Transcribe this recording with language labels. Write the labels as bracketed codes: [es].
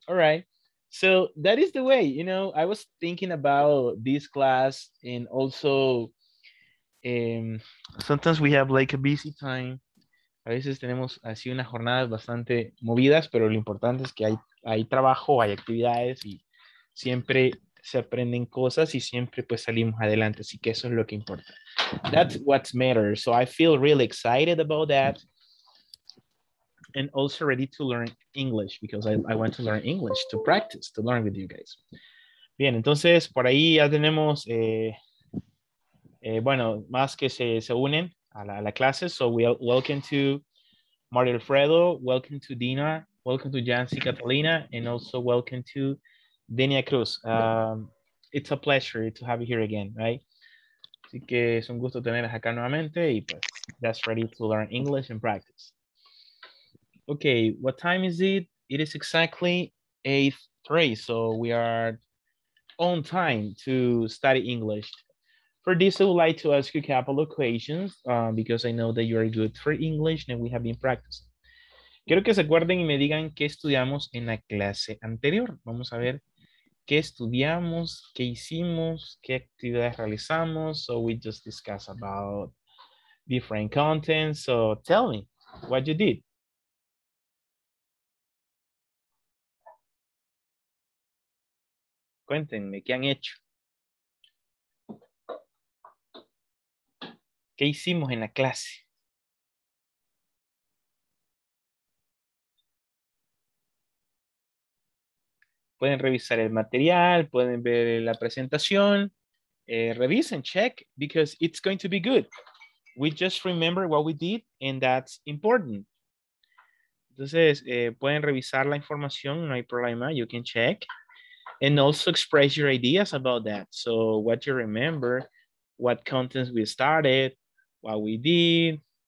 [en] All right, so that is the way, you know, I was thinking about this class and also sometimes we have like a busy time. [es] A veces tenemos así unas jornadas bastante movidas, pero lo importante es que hay trabajo, hay actividades y siempre se aprenden cosas y siempre pues salimos adelante, así que eso es lo que importa. [en] That's what matters, so I feel really excited about that. And also ready to learn English because I want to learn English to practice, to learn with you guys. [es] Bien, entonces por ahí ya tenemos, bueno, más que se unen a la clase. [en] So we welcome to Mario Alfredo, welcome to Dina, welcome to Jancy Catalina, and also welcome to Denia Cruz. It's a pleasure to have you here again, right? [es] Así que es un gusto tenerlas acá nuevamente y pues, [en] just ready to learn English and practice. Okay, what time is it? It is exactly 8:03, so we are on time to study English. For this, I would like to ask you a couple of questions because I know that you are good for English and we have been practicing. [es] Quiero que se acuerden y me digan qué estudiamos en la clase anterior. Vamos a ver qué estudiamos, qué hicimos, qué actividades realizamos. [en] So we just discuss about different content. So tell me what you did. [es] Cuéntenme, ¿qué han hecho? ¿Qué hicimos en la clase? Pueden revisar el material, pueden ver la presentación. Revisen, [en] check, because it's going to be good. We just remember what we did, and that's important. [es] Entonces, pueden revisar la información, no hay problema, [en] you can check. And also express your ideas about that. So what you remember, what contents we started, what we did.